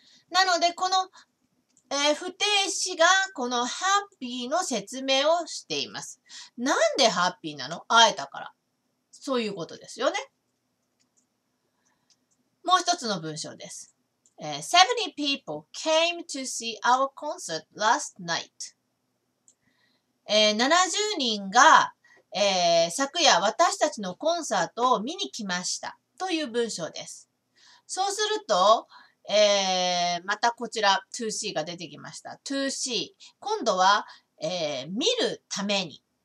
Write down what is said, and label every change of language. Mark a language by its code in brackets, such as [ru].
[ja] なので、この、不定詞がこのハッピーの説明をしています。なんでハッピーなの？会えたから。そういうことですよね。もう一つの文章です。 [en] 70 people came to see our concert last night. [ja] 70人が、昨夜私たちのコンサートを見に来ましたという文章です。そうすると、またこちら to see が出てきました。 to see 今度は、見るために。